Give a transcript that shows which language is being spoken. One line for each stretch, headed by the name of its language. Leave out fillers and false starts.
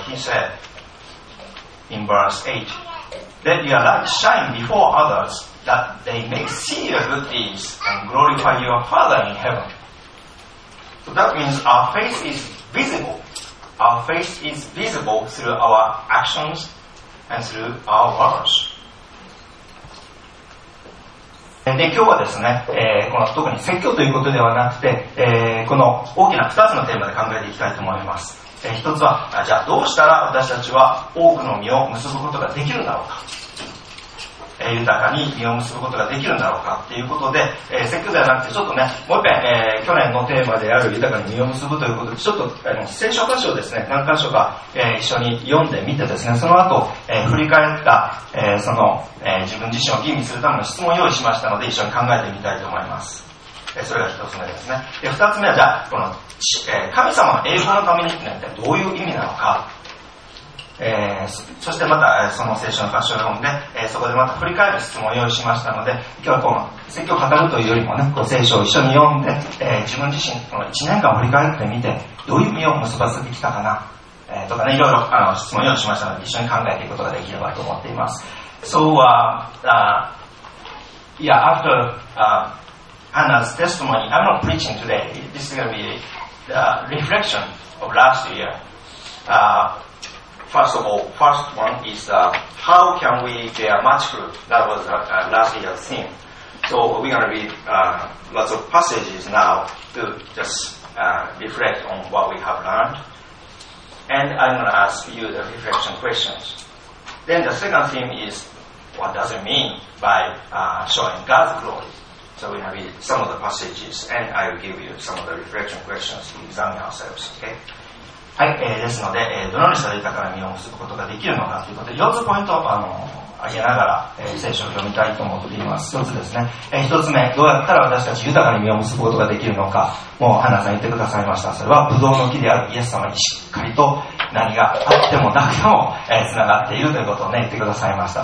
English: He said in verse 8, Let your light shine before others, that they may see your good deeds and glorify your Father in heaven. So that means our faith is visible. Our faith is visible through our actions and through our words.
Japanese: で今日はですね、この特に説教ということではなくて、この大きな2つのテーマで考えていきたいと思います。 1つは、じゃあどうしたら私たちは多くの実を結ぶことができるんだろうか、豊かに実を結ぶことができるんだろうかということで、説教ではなくてちょっとね、もう一遍、去年のテーマである豊かに実を結ぶということで、ちょっと聖書箇所をですね、何箇所か、一緒に読んでみてですね、その後、振り返った、その、自分自身を吟味するための質問を用意しましたので、一緒に考えてみたいと思います。それが一つ目ですね。で二つ目は、じゃあこの、神様の栄光のためにというのはどういう意味なのか、そしてまた、その聖書の箇所を読んで、そこでまた振り返る質問を用意しましたので、今日はこの説教を語るというよりもね、こう聖書を一緒に読んで、自分自身この1年間振り返ってみて、どういう実を結ばせてきたかな、とかね、いろいろ質問を用意しましたので、一緒に考えていくことができればと思っています。
English: So yeah, after Hannah's testimony, I'm not preaching today. This is going to be the reflection of last year. First of all, first one is how can we bear much fruit? That was last year's theme. So we're going to read lots of passages now to just reflect on what we have learned. And I'm going to ask you the reflection questions. Then the second theme is what does it mean by showing God's glory? So we're going to read some of the passages and I will give you some of the reflection questions to examine ourselves, okay?
Japanese: はい、ですので、どのようにしたら豊かな実を結ぶことができるのかということで、4つポイントを挙げながら、聖書を読みたいと思っています。一つですね、一つ目、どうやったら私たち豊かに実を結ぶことができるのか、もう花さん言ってくださいました。それはブドウの木であるイエス様にしっかりと何があってもなくても、つながっているということを、ね、言ってくださいました。